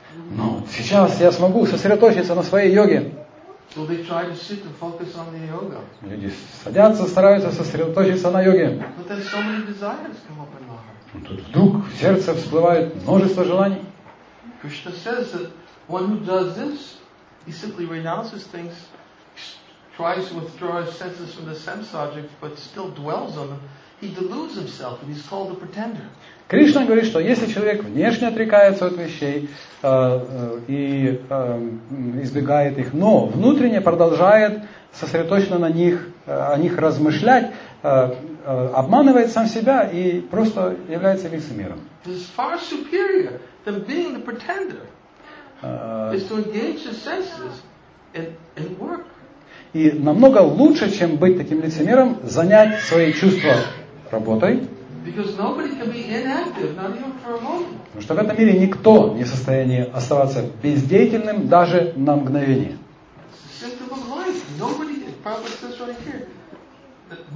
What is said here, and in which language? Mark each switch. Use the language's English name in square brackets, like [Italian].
[Russian] Но сейчас я смогу сосредоточиться на своей йоге. [English] So they try to sit and focus on the yoga. [Russian] Люди садятся, стараются сосредоточиться на йоге. [English] But then so many desires come up in the heart. [Russian] Тут вдруг в сердце всплывает множество желаний. [English] Krishna says that one who does this, he simply renounces things, tries to withdraw his senses from the sense object, but still dwells on them. He deludes himself, and he's called a pretender. [Russian] Кришна говорит, что если человек внешне отрекается от вещей избегает их, но внутренне продолжает сосредоточенно на них, о них размышлять, обманывает сам себя и просто является лицемером. [English] This is far superior than being the pretender. Is to engage the senses and work. [Russian] И намного лучше, чем быть таким лицемером, занять свои чувства работой. [English] Because nobody can be inactive, not even for a moment. [Russian] Потому что в этом мире никто не в состоянии оставаться бездеятельным даже на мгновение. [English] It's a symptom of life. Nobody, Prabhupada says right here, that